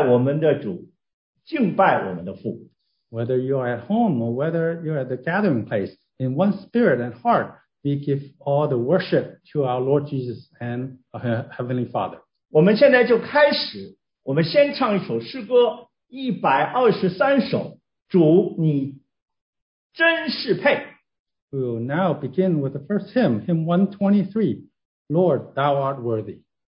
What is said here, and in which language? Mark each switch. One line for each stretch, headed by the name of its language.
Chinese: 希望弟兄姊妹，我们一起在家中或者在会所，我们同心来敬拜我们的主，敬拜我们的父。
English: Whether you are at home or whether you are at the gathering place, in one spirit and heart, we give all the worship to our Lord Jesus and our Heavenly Father.
Chinese: 我们现在就开始，我们先唱一首诗歌 123首， 主你真是配。
English: We will now begin with the first hymn, hymn 123, Lord, Thou art worthy.